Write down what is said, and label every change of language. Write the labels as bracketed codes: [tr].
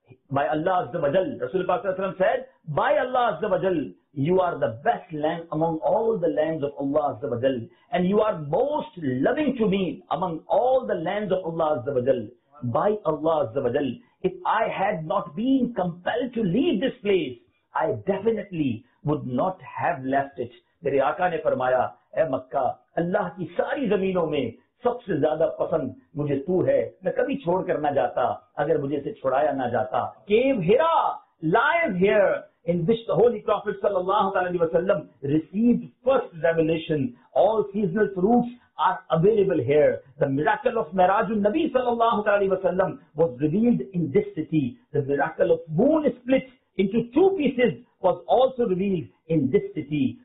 [en] By Allah azza wa jal, Rasulullah sallallahu alayhi wa sallam said, by Allah azza wa jal, you are the best land among all the lands of Allah azza wa jal, and you are most loving to me among all the lands of Allah azza wa jal. By Allah azza wa jal, If I had not been compelled to leave this place, I definitely would not have left it. [ur] میرے آقا نے فرمایا اے مکہ اللہ کی ساری زمینوں میں سب سے زیادہ پسند مجھے تو ہے, میں کبھی چھوڑ کر نہ جاتا اگر مجھے اسے چھوڑایا نہ جاتا. [en] Cave Hira lies here in which the Holy Prophet صلی اللہ علیہ وسلم received first revelation. All seasonal fruits are available here. The miracle of Miraj al-Nabi صلی اللہ علیہ وسلم was revealed in this city. The miracle of moon split into two pieces was also revealed in this city.